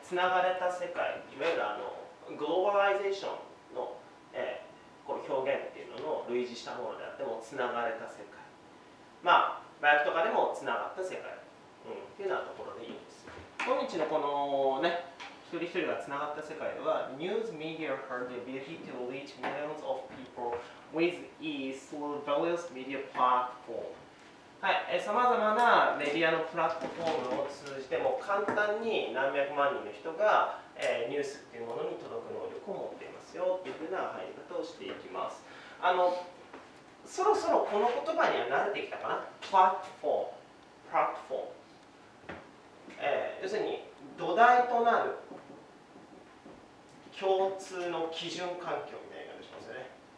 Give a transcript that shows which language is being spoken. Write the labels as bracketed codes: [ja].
[ja] つながれた世界、いわゆるグローバライゼーションの、この表現っていうのの類似したものであっても、つながれた世界。まあ、バイクとかでもつながった世界、っていうようなところでいいんです。今日のこのね、一人一人がつながった世界では、 [en] News media had the ability to reach millions of people with ease through various media platforms. [ja] はい、さまざまなメディアのプラットフォームを通じても簡単に何百万人の人が、ニュースっていうものに届く能力を持っていますよっていうふうな入り方をしていきます。そろそろこの言葉には慣れてきたかな。プラットフォーム、要するに土台となる共通の基準環境みたいな感じしますよね。